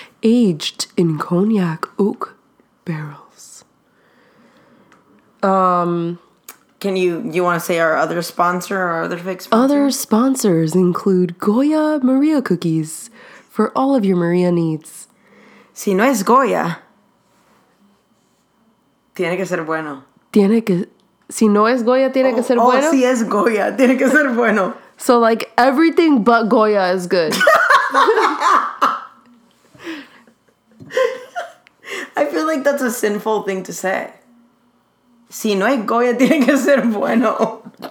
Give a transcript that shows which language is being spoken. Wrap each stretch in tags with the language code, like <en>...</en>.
<en>Aged in cognac oak barrels. Can you want to say our other sponsor or our other fake sponsor? Other sponsors include Goya Maria cookies for all of your Maria needs.</en> <es>Si no es Goya, tiene que ser bueno. Tiene que, si no es Goya, tiene que ser bueno. Oh, si es Goya, tiene que ser bueno.</es> <en>So like everything but Goya is good. I feel like that's a sinful thing to say.</en> <es>Si no hay Goya, tiene que ser bueno.</es>